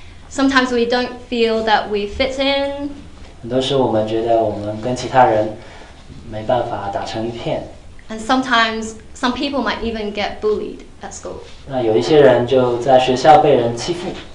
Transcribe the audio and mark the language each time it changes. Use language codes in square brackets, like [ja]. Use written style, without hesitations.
[en] Sometimes we don't feel that we fit in. [zh] 很多时候我们觉得我们跟其他人没办法打成一片。 [en] And sometimes some people might even get bullied at school. [zh] 那有一些人就在学校被人欺负。